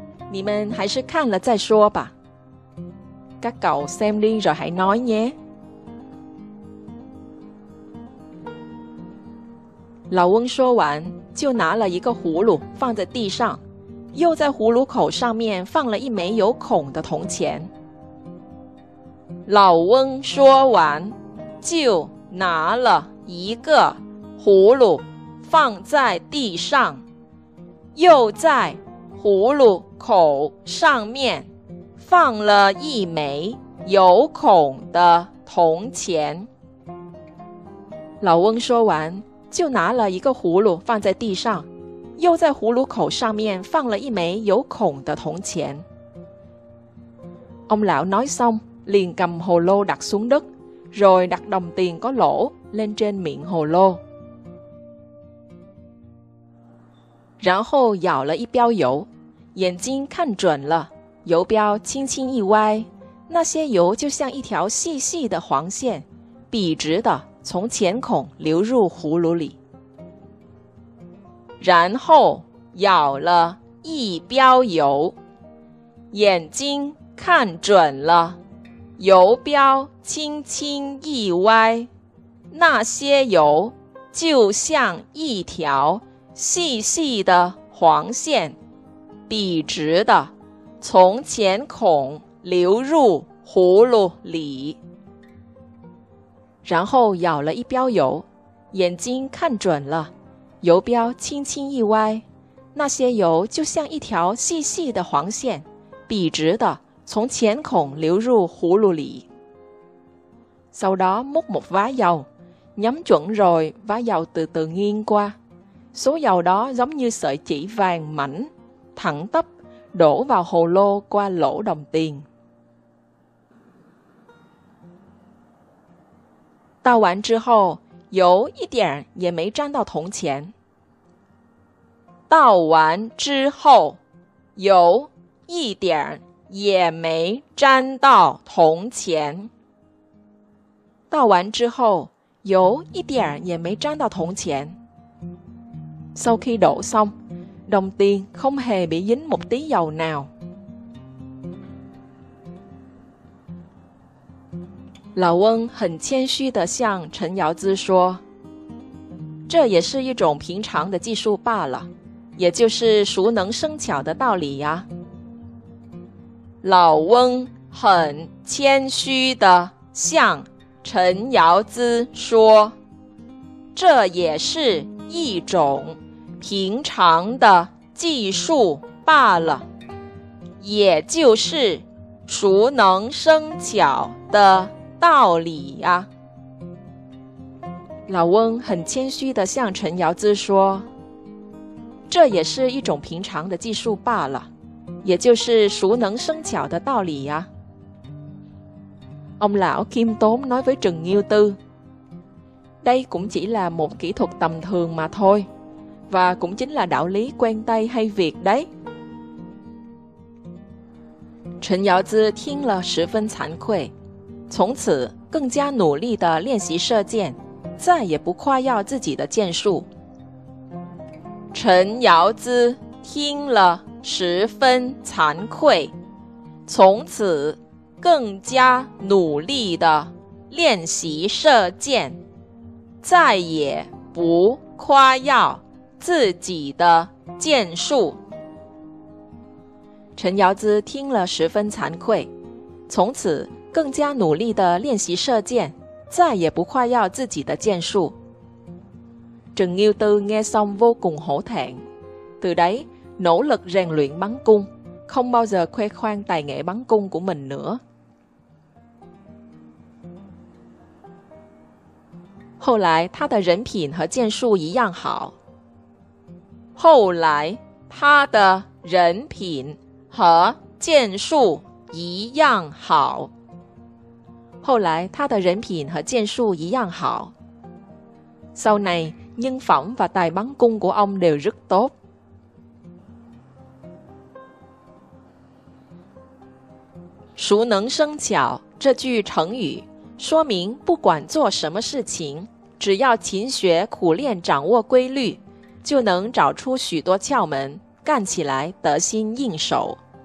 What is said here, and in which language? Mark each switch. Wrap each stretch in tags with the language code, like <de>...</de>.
<zh>你们还是看了再说吧。你们还是看了再说吧。你们还是看了再说吧。</zh> <vi>Các cậu xem đi rồi hãy nói nhé.</vi> <zh>Lão Quân 说完, 就拿了一个葫芦放在地上, 又在葫芦口上面放了一枚有孔的铜钱。 Lão Quân 说完, 就拿了一个葫芦放在地上，又在葫芦口上面放了一枚有孔的铜钱。老翁说完，就拿了一个葫芦放在地上，又在葫芦口上面放了一枚有孔的铜钱。</zh> <vi>Ông lão nói xong, liền cầm hồ lô đặt xuống đất, rồi đặt đồng tiền có lỗ lên trên miệng hồ lô.</vi> <zh>然后咬了一标油，眼睛看准了，油标轻轻一歪，那些油就像一条细细的黄线，笔直的从钱孔流入葫芦里。然后咬了一标油，眼睛看准了，油标轻轻一歪，那些油就像一条细细的黄线，笔直的从钱孔流入葫芦里。然后咬了一标油，眼睛看准了，油标轻轻一歪，那些油就像一条细细的黄线，笔直的从钱孔流入葫芦里。</zh> <vi>Sau đó múc một vá dầu, nhắm chuẩn rồi vá dầu từ từ nghiêng qua. Số dầu đó giống như sợi chỉ vàng mảnh, thẳng tắp, đổ vào hồ lô qua lỗ đồng tiền.</vi> <zh>倒完之后, 油一点也没沾到铜钱。倒完之后, 油一点也没沾到铜钱。倒完之后，油一点也没沾到铜钱。</zh> <vi>Sau khi đổ xong, đồng tiền không hề bị dính một tí dầu nào.</vi> <zh>老翁很谦虚地向陈瑶姿说：“这也是一种平常的技术罢了，也就是熟能生巧的道理呀。” 老翁很谦虚地向陈瑶姿说，这也是一种平常的技术罢了，也就是熟能生巧的道理啊。老翁很谦虚地向陈瑶姿说，这也是一种平常的技术罢了，也就是熟能生巧的道理呀。</zh> <vi>Ông lão khiêm tốn nói với Trần Nghiêu Tư, đây cũng chỉ là một kỹ thuật tầm thường mà thôi, và cũng chính là đạo lý quen tay hay việc đấy.</vi> <zh>陈瑶姿听了十分惭愧，从此更加努力地练习射箭，再也不夸耀自己的箭术。陈瑶姿听了十分惭愧，从此更加努力地练习射箭，再也不夸耀自己的箭术。陈瑶姿听了十分惭愧，从此更加努力地练习射箭，再也不夸耀自己的箭术。</zh> <vi>Trần Nghiêu Tư nghe xong vô cùng hổ thẹn, từ đấy nỗ lực rèn luyện bắn cung, không bao giờ khoe khoang tài nghệ bắn cung của mình nữa.</vi> <zh>后来他的人品和箭术一样好。后来他的人品和箭术一样好。后来他的人品和箭术一样好。</zh> <vi>Sau này, nhân phẩm và tài bắn cung của ông đều rất tốt.</vi> <zh>熟能生巧这句成语说明，不管做什么事情，只要勤学苦练，掌握规律，就能找出许多窍门，干起来得心应手。</zh>